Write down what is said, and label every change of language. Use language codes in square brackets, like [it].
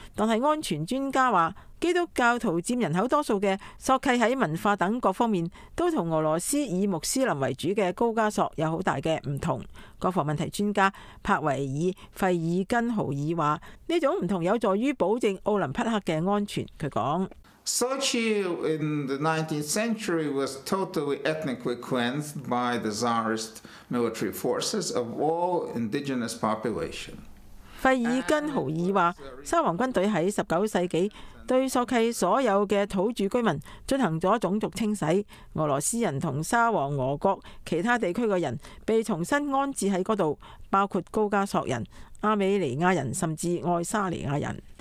[zh] 但是安全专家说，基督教徒占人口多数的索契在文化等各方面都和俄罗斯以穆斯林为主的高加索有很大的不同。国防问题专家帕维尔·费尔根豪尔说，这种不同有助于保证奥林匹克的安全。他说， [en] Sochi in the 19th century was totally ethnically cleansed by the Tsarist military forces of all indigenous population. [zh] 费尔根豪尔说，沙皇军队在19世纪对索契所有的土著居民进行了种族清洗，俄罗斯人和沙皇俄国其他地区的人被重新安置在那里，包括高加索人、阿美尼亚人甚至爱沙尼亚人。